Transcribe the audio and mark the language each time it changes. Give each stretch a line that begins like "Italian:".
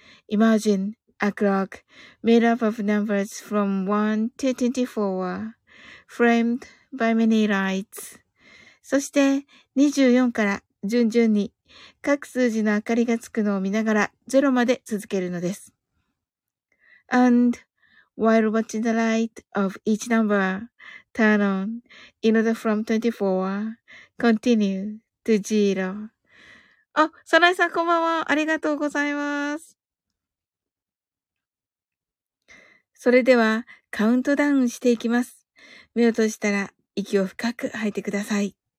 English: Imagine a clock made up of numbers from 1 to 24 framed by many lights.
Japanese: そして24から順々に各数字の明かりがつくのを見ながら0まで続けるのです。
English: And while watching the light of each number turn on in order from 24, continue to zero.
Japanese: あ、サナイさんこんばんは。ありがとうございます。それではカウントダウンしていきます。目を閉じたら息を深く吐いてください。